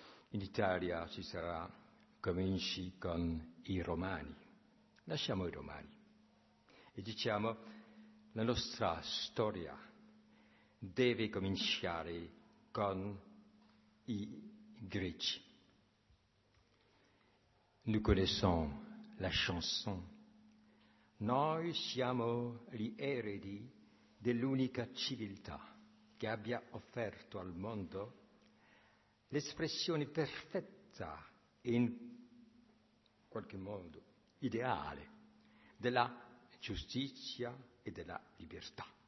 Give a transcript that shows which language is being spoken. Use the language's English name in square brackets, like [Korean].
[Italian] In Italia ci sarà cominci con i romani. Lasciamo i romani. E diciamo, la nostra storia deve cominciare con i greci. [French] Nous connaissons la chanson. [Italian] Noi siamo gli eredi dell'unica civiltà che abbia offerto al mondo l'espressione perfetta e in qualche modo ideale della giustizia e della libertà.